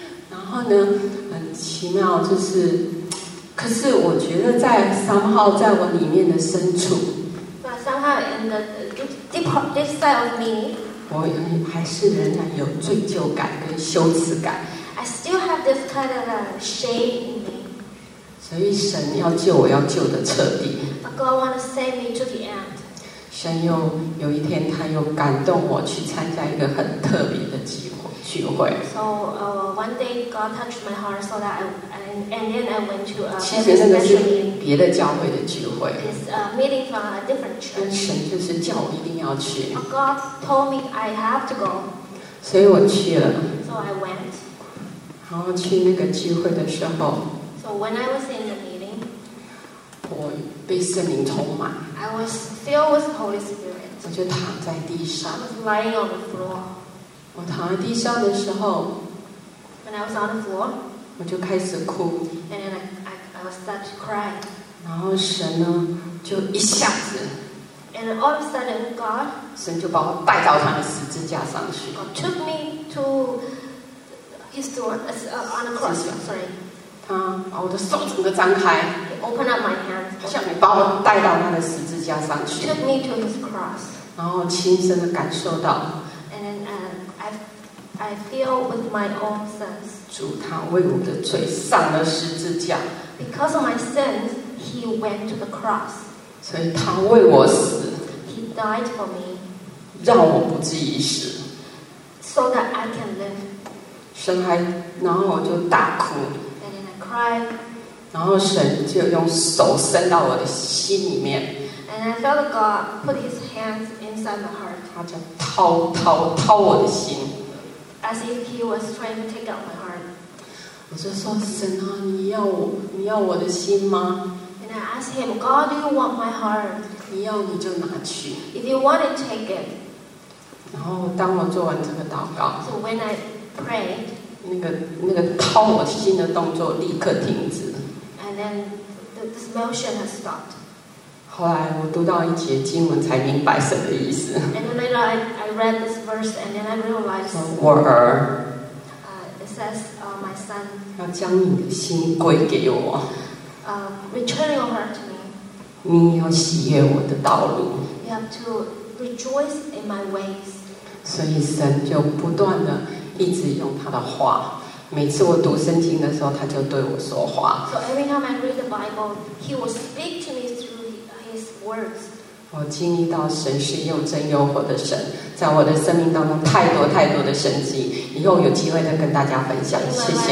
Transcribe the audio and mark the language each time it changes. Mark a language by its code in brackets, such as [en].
[zh] 然后呢，很奇妙，就是，可是我觉得在somehow在我里面的深处， [en] somehow in the deep inside of me， [zh] 我还是仍然有罪疚感跟羞耻感。 [en] I still have this kind of shame in me。 [zh] 所以神要救我要救的彻底。 [en] But God want to save me to the end。 [zh] 神又有一天，他又感动我去参加一个很特别的聚会。 [en] So, one day God touched my heart so that and then I went to a special meeting. [zh] 其实那个是别的教会的聚会。 [en] It's a meeting from a different church. [zh] 神就是叫我一定要去。 [en] God told me I have to go. [zh] 所以我去了。 [en] So I went. [zh] 然后去那个聚会的时候。 [en] So when I was in the meeting, [zh] 我被圣灵充满。 [en] I was filled with Holy Spirit. [zh] 我就躺在地上。 [en] I was lying on the floor. [zh] 我躺在地上的时候 [en] When I was on the floor [zh] 我就开始哭 [en] And then I was start to cry [zh] 然后神呢就一下子 [en] And all of a sudden God [zh] 神就把我带到他的十字架上去 [en] God took me to his door on the cross Sorry [zh] 把我的手整个张开 [en] Open up my hands [zh] 好像把我带到他的十字架上去 [en] Took me to his cross [zh] 然后亲身的感受到 [en] And then I feel with my own sense [zh] 主他为我的罪上了十字架 [en] Because of my sins He went to the cross [zh] 所以他为我死 [en] He died for me [zh] 让我不至于死 [en] So that I can live [zh] 神还然后我就大哭 [en] Cry. [zh] 然后神就用手伸到我的心里面 [en] And I felt God put his hands inside my heart [zh] 他就掏掏掏我的心 [en] As if he was trying to take out my heart [zh] 我就说神啊你要我的心吗 [en] And I asked him God do you want my heart [zh] 你要你就拿去 [en] If you want it take it [zh] 然后当我做完这个祷告 [en] So when I prayed [zh] 那个掏我心的动作立刻停止 [en] And then this motion has stopped [zh] 后来我读到一节经文才明白神的意思 [en] And then later I read this verse and then I realized [zh] 我儿 [en] It says my son [zh] 要将你的心归给我 [en] Return your heart to me [zh] 你要喜悦我的道路 [en] You have to rejoice in my ways [zh] 所以神就不断的一直用他的话每次我读圣经的时候他就对我说话 [en] So every time I read the Bible He will speak to me through his words [zh] 我经历到神是又真又活的神在我的生命当中太多太多的神迹以后有机会再跟大家分享谢谢